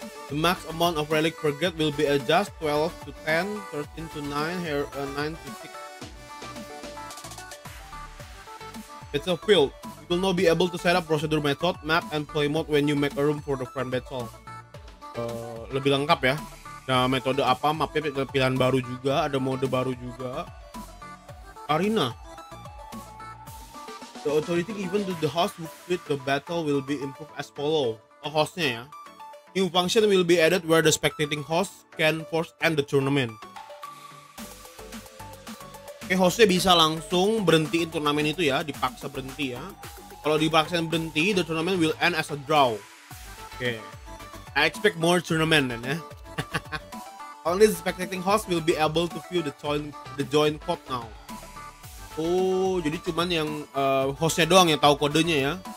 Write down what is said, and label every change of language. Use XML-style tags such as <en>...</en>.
<en>The max amount of relic per grade will be adjust 12 to 10, 13 to 9, 9 to 6. It's a field. You will not be able to set up procedure method, map, and play mode when you make a room for the friend battle.</en> <id>Lebih lengkap ya. Nah, metode apa? Mapnya pilihan baru juga, ada mode baru juga.</id> <en>Arena. The authority given to the host who quit the battle will be improved as follow.</en> <id>Oh, hostnya ya.</id> <en>New function will be added where the spectating host can force end the tournament.</en> <id>Oke, hostnya bisa langsung berhentiin turnamen itu ya, dipaksa berhenti ya. Kalau dipaksa berhenti,</id> <en>the tournament will end as a draw. Oke, okay. I expect more tournament then ya. Only the spectating host will be able to view the join code now.</en> <id>Oh, jadi cuman yang hostnya doang yang tahu kodenya ya.</id>